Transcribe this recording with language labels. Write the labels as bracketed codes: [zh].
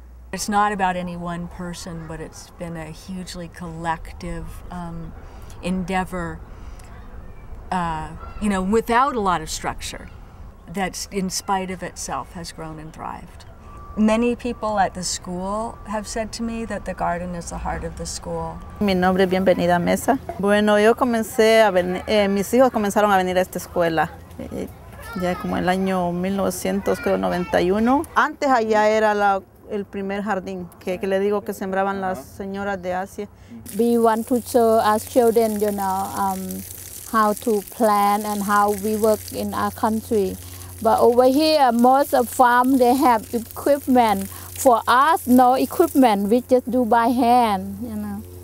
[en] It's not about any one person, but it's been a hugely collective endeavor, you know, without a lot of structure, that's in spite of itself has grown and thrived. Many people at the school have said to me that the garden is the heart of the school. [es] Mi nombre es Bienvenida Mesa. Bueno, yo comencé a venir, mis hijos comenzaron a venir a esta escuela. Ya como el año 1991. Antes allá era el primer jardín que le digo que sembraban las señoras de Asia. [en] We want to show our children, you know, how to plant and how we work in our country. But over here, most of farm they have equipment. For us, no equipment. We just do by hand, you know.